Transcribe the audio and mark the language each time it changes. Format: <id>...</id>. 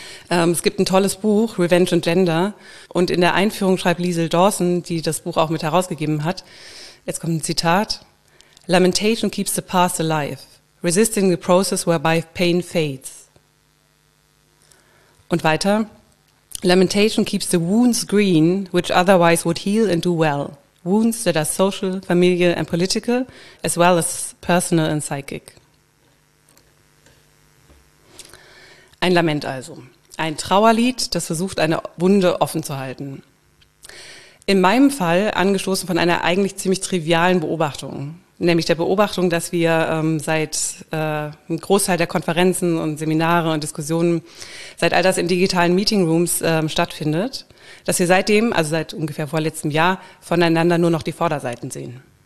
<de>Es gibt ein tolles Buch, Revenge and Gender, und in der Einführung schreibt Liesel Dawson, die das Buch auch mit herausgegeben hat, jetzt kommt ein Zitat,</de> <en>"Lamentation keeps the past alive, resisting the process whereby pain fades."</en> <de>Und weiter,</de> <en>"Lamentation keeps the wounds green, which otherwise would heal and do well. Wounds that are social, familial and political, as well as personal and psychic."</en> <de>Ein Lament also. Ein Trauerlied, das versucht, eine Wunde offen zu halten. In meinem Fall angestoßen von einer eigentlich ziemlich trivialen Beobachtung. Nämlich der Beobachtung, dass wir ein Großteil der Konferenzen und Seminare und Diskussionen seit all das in digitalen Meetingrooms stattfindet, dass wir seitdem, also seit ungefähr vorletztem Jahr, voneinander nur noch die Vorderseiten sehen.</de>